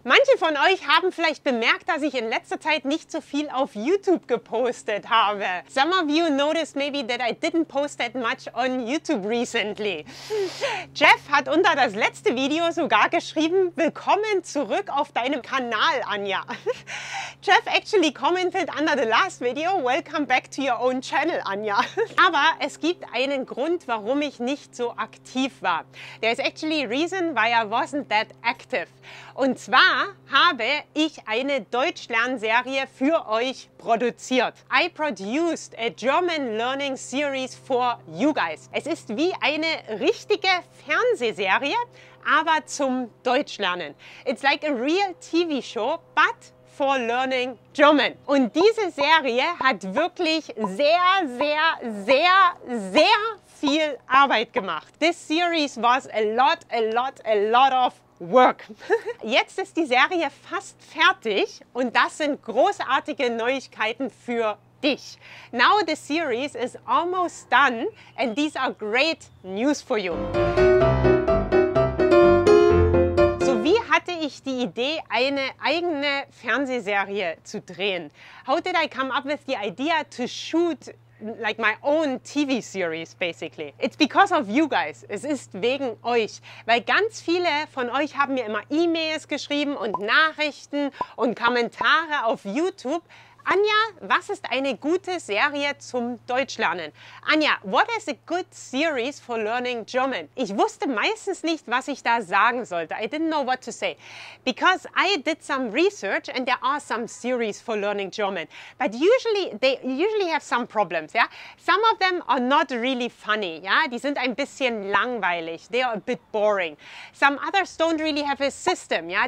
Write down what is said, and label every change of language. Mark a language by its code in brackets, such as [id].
[de] Manche von euch haben vielleicht bemerkt, dass ich in letzter Zeit nicht so viel auf YouTube gepostet habe. [en] Some of you noticed maybe that I didn't post that much on YouTube recently. [de] Jeff hat unter das letzte Video sogar geschrieben, willkommen zurück auf deinem Kanal, Anja. [en] Jeff actually commented under the last video, welcome back to your own channel, Anja. [de] Aber es gibt einen Grund, warum ich nicht so aktiv war. [en] There is actually a reason why I wasn't that active. [de] Und zwar habe ich eine Deutschlernserie für euch produziert. [en] I produced a German Learning Series for you guys. [de] Es ist wie eine richtige Fernsehserie, aber zum Deutschlernen. [en] It's like a real TV show, but for learning German. [de] Und diese Serie hat wirklich sehr, sehr, sehr, sehr viel Arbeit gemacht. [en] This series was a lot of work. [de] Jetzt ist die Serie fast fertig und das sind großartige Neuigkeiten für dich. [en] Now the series is almost done and these are great news for you. [de] So, wie hatte ich die Idee, eine eigene Fernsehserie zu drehen? [en] How did I come up with the idea to shoot like my own TV series, basically. It's because of you guys. [de] Es ist wegen euch. Weil ganz viele von euch haben mir immer E-Mails geschrieben und Nachrichten und Kommentare auf YouTube. Anja, was ist eine gute Serie zum Deutschlernen? [en] Anja, what is a good series for learning German? [de] Ich wusste meistens nicht, was ich da sagen sollte. [en] I didn't know what to say. Because I did some research and there are some series for learning German. But usually, they usually have some problems. Yeah? Some of them are not really funny. Yeah? [de] Die sind ein bisschen langweilig. [en] They are a bit boring. Some others don't really have a system. Yeah?